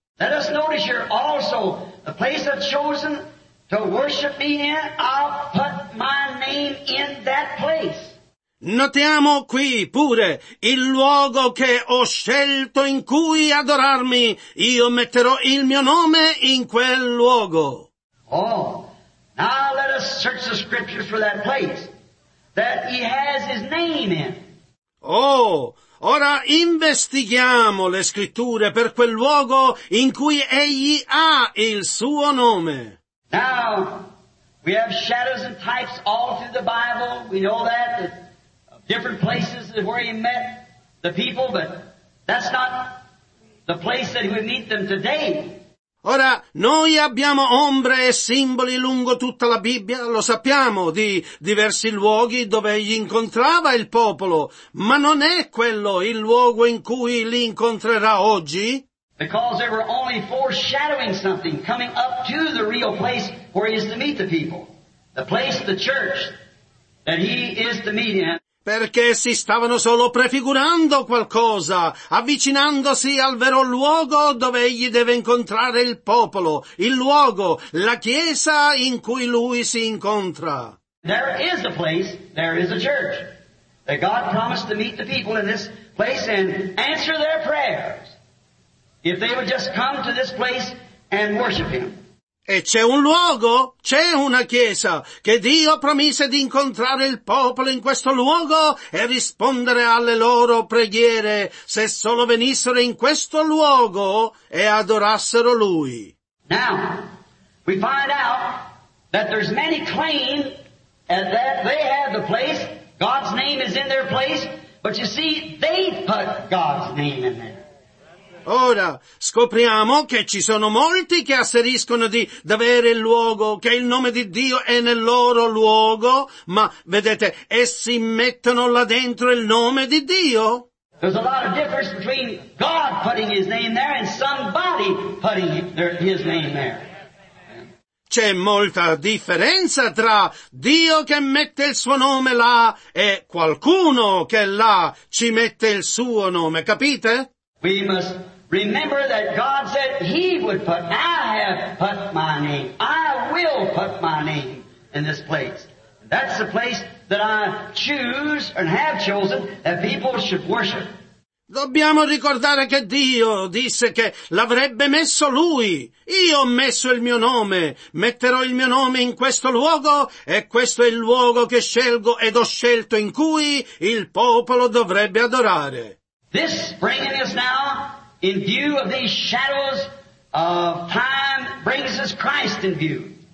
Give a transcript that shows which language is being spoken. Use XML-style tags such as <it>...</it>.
<en>Let us notice here also the place I've chosen to worship me in, I'll put my name in that place.</en> <it>Notiamo qui pure il luogo che ho scelto in cui adorarmi. Io metterò il mio nome in quel luogo.</it> <en>Oh, now let us search the scriptures for that place that he has his name in.</en> <it>Oh, ora investighiamo le scritture per quel luogo in cui egli ha il suo nome.</it> <en>Now, we have shadows and types all through the Bible. We know that. Different places where he met the people, but that's not The place that we meet them today.</en> <it>Ora, noi abbiamo ombre e simboli lungo tutta la Bibbia, lo sappiamo, di diversi luoghi dove egli incontrava il popolo, ma non è quello il luogo in cui li incontrerà oggi?</it> <en>Because they were only foreshadowing something, coming up to the real place where he is to meet the people. The place, the church, that he is to meet in.</en> <it>Perché si stavano solo prefigurando qualcosa, avvicinandosi al vero luogo dove egli deve incontrare il popolo, il luogo, la chiesa in cui lui si incontra.</it> <en>There is a place, there is a church, that God promised to meet the people in this place and answer their prayers if they would just come to this place and worship him.</en> <it>E c'è un luogo, c'è una chiesa, che Dio promise di incontrare il popolo in questo luogo e rispondere alle loro preghiere se solo venissero in questo luogo e adorassero Lui.</it> <en>Now, we find out that there's many claim that they have the place, God's name is in their place, but you see, they put God's name in there.</en> <it>Ora, scopriamo che ci sono molti che asseriscono di avere il luogo, che il nome di Dio è nel loro luogo, ma, vedete, essi mettono là dentro il nome di Dio.</it> <en>There's a lot of difference between God putting his name there and somebody putting his name there.</en> <it>C'è molta differenza tra Dio che mette il suo nome là e qualcuno che là ci mette il suo nome, capite?</it> <en>We must remember that God said he would put, I have put my name, I will put my name in this place. And that's the place that I choose and have chosen that people should worship.</en> <it>Dobbiamo ricordare che Dio disse che l'avrebbe messo lui. Io ho messo il mio nome, metterò il mio nome in questo luogo e questo è il luogo che scelgo ed ho scelto in cui il popolo dovrebbe adorare.</it> <en>This bringing us now, in view of these shadows of time, brings us Christ in view.</en>